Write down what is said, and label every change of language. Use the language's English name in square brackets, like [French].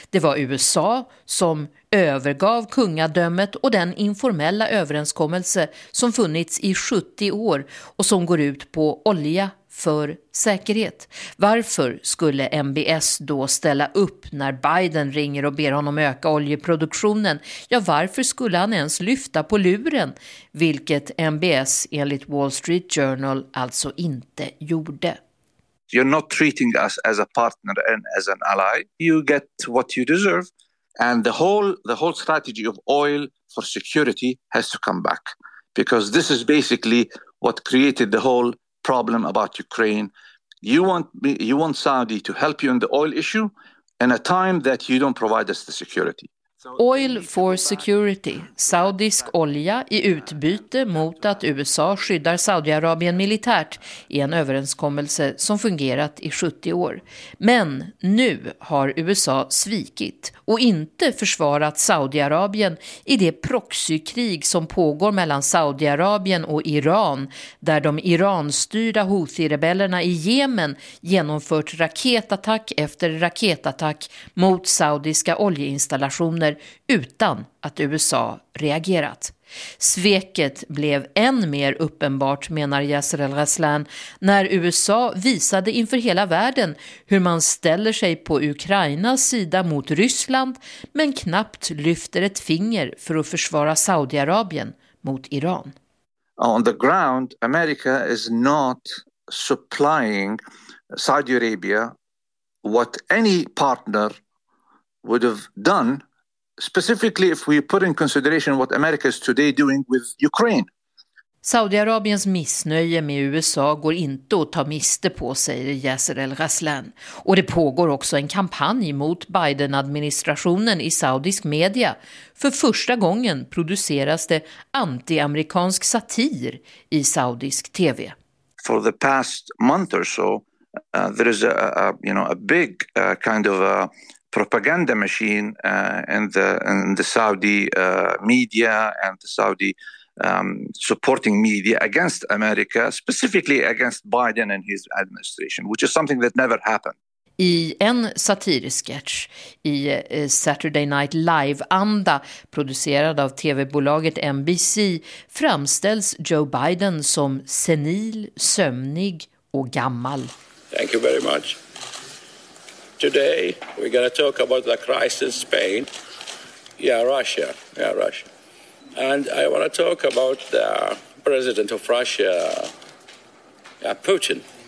[Swedish] Det var USA som övergav kungadömet och den informella överenskommelse som funnits i 70 år och som går ut på olja för säkerhet. Varför skulle MBS då ställa upp när Biden ringer och ber honom öka oljeproduktionen? Ja, varför skulle han ens lyfta på luren? Vilket MBS enligt Wall Street Journal alltså inte gjorde. [English] You're not treating us as a partner and as an ally. You get what you deserve. And the whole strategy of oil for security has to come back. Because this is basically what created the whole problem about Ukraine. You want Saudi to help you in the oil issue in a time that you don't provide us the security. Oil for security. [Swedish] Saudisk olja i utbyte mot att USA skyddar Saudiarabien militärt i en överenskommelse som fungerat i 70 år. Men nu har USA svikit och inte försvarat Saudiarabien i det proxykrig som pågår mellan Saudiarabien och Iran där de iranstyrda Houthi-rebellerna i Jemen genomfört raketattack efter raketattack mot saudiska oljeinstallationer utan att USA reagerat. Sveket blev än mer uppenbart, menar Yasser El-Raslan, när USA visade inför hela världen hur man ställer sig på Ukrainas sida mot Ryssland men knappt lyfter ett finger för att försvara Saudiarabien mot Iran. [English] On the ground, America is not supplying Saudi Arabia what any partner would have done. Specifically if we put in consideration what America is today doing with Ukraine. [Swedish] Saudiarabiens missnöje med USA går inte att ta miste på, säger Yasser El-Raslan. Och det pågår också en kampanj mot Biden-administrationen i saudisk media. För första gången produceras det anti-amerikansk satir i saudisk TV. [English] For the past month or so there is a big propaganda machine in the Saudi media and the Saudi supporting media against America, specifically against Biden and his administration, which is something that never happened. [Swedish] I en satirsketch i Saturday Night Live-anda producerad av tv-bolaget NBC framställs Joe Biden som senil, sömnig och gammal. [English] Thank you very much. Today we're going to talk about the crisis in Spain. Russia. And I want to talk about the president of Russia, Putin.